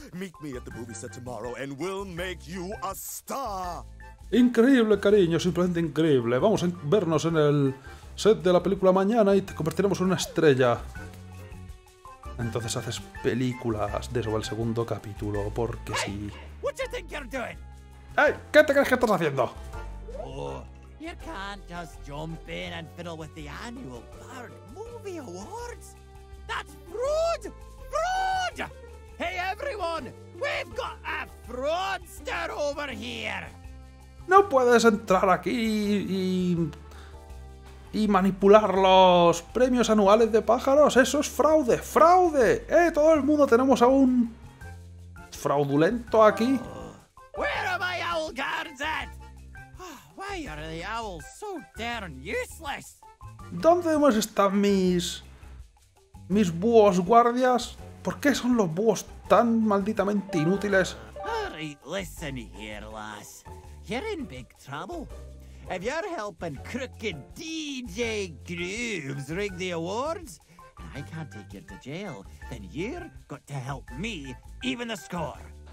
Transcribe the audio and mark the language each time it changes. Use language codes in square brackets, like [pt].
[en] Meet me at the movie set tomorrow and we'll make you a star. [es] Increíble, cariño, simplemente increíble. Vamos a vernos en el set de la película mañana y te convertiremos en una estrella. Entonces haces películas de sobre el segundo capítulo, porque hey, sí. [en] What do you think you're doing? [es] Hey, ¿qué te crees que estás haciendo? [en] Oh, you can't just jump in and fiddle with the annual Bird Movie Awards. That's rude! Rude! Hey everyone, we've got a fraudster over here. [es] No puedes entrar aquí y manipular los premios anuales de pájaros, eso es fraude, fraude. Todo el mundo tenemos a un fraudulento aquí. [en] Where are my owl guards at? Oh, why are the owls so darn useless? [es] ¿Dónde más están mis búhos guardias? ¿Por qué son los búhos tan malditamente inútiles? [en] Alright, listen here, lass. You're in big trouble. If you're helping crooked DJ Grooves rig the awards, and I can't take you to jail, then you're got to help me even the score.